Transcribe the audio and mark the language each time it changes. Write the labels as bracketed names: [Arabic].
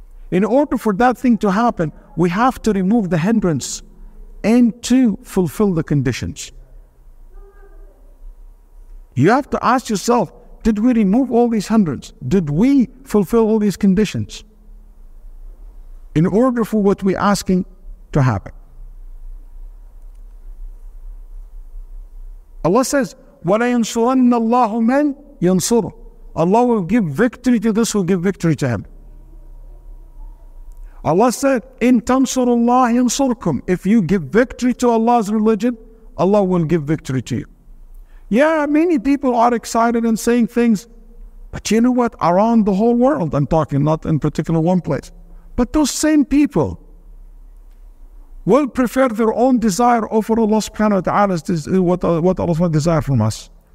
[English] In order for that thing to happen, we have to remove the hindrance and to fulfill the conditions. You have to ask yourself, did we remove all these hindrances? Did we fulfill all these conditions in order for what we're asking to happen? Allah says, [Arabic] وَلَيَنْصُرَنَّ اللَّهُ مَنْ يَنْصُرُ. [English] Allah will give victory to this, will give victory to him. Allah said, [Arabic] إِنْ تَنْصُرُ اللَّهِ يَنْصُرْكُمْ. [English] If you give victory to Allah's religion, Allah will give victory to you. Yeah, many people are excited and saying things, but you know what? Around the whole world, I'm talking, not in particular one place. But those same people will prefer their own desire over Allah subhanahu wa ta'ala's what Allah subhanahu desire from us.